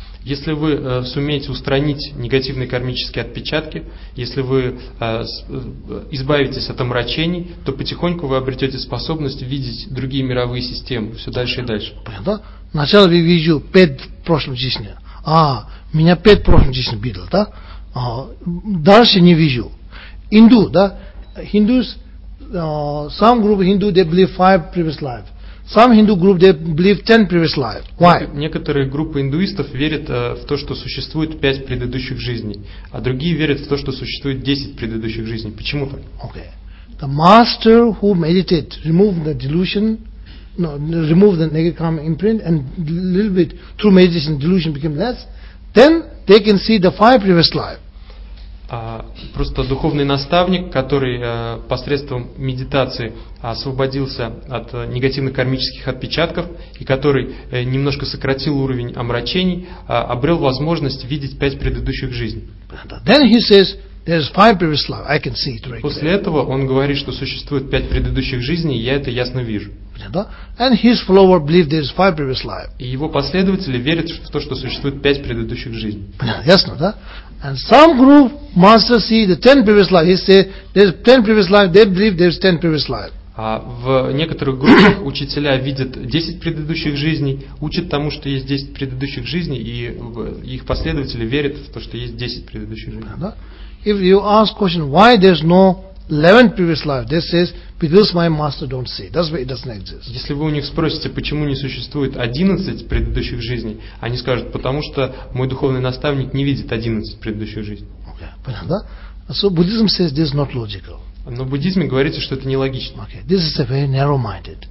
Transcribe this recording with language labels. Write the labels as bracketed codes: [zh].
[ru] Если вы сумеете устранить негативные кармические отпечатки, если вы избавитесь от омрачений, то потихоньку вы обретете способность видеть другие мировые системы все дальше и дальше. Понятно? Сначала я вижу 5 в прошлом жизни. А, меня 5 в прошлом жизни било, да? А, дальше не вижу. Инду, да? [en] Hindus, some group of Hindu, they believe 5 previous lives. Some Hindu group they believe 10 previous life. Why? [ru] Некоторые группы индуистов верят в то, что существует 5 предыдущих жизней, а другие верят в то, что существует 10 предыдущих жизней. Почему так? Okay. [en] The master who meditate, remove the delusion, no, remove the negative karma imprint, and a little bit through meditation delusion became less, then they can see the 5 previous life. [ru] Просто духовный наставник, который посредством медитации освободился от негативных кармических отпечатков и который немножко сократил уровень омрачений, обрел возможность видеть 5 предыдущих жизней. После этого он говорит, что существует 5 предыдущих жизней, и я это ясно вижу. [en] And his follower believes there is 5 previous lives. [ru] И его последователи верят в то, что существует 5 предыдущих жизней. Ясно, да? [en] And some group masters see the 10 previous lives. He says there is 10 previous lives. They believe there is 10 previous lives. [ru] А в некоторых группах учителя видят 10 предыдущих жизней, учат тому, что есть 10 предыдущих жизней, и их последователи верят в то, что есть 10 предыдущих жизней. Да? [en] If you ask question, why there is no 11 previous life, this says because my master don't see. That's why it doesn't exist. [ru] Если вы у них спросите, почему не существует 11 предыдущих жизней, они скажут, потому что мой духовный наставник не видит 11 предыдущих жизней. [en] Okay. [ru] Понятно? [en] So Buddhism says this is not logical. [ru] Но в буддизме говорится, что это нелогично. [en] Okay. This is a very narrow-minded.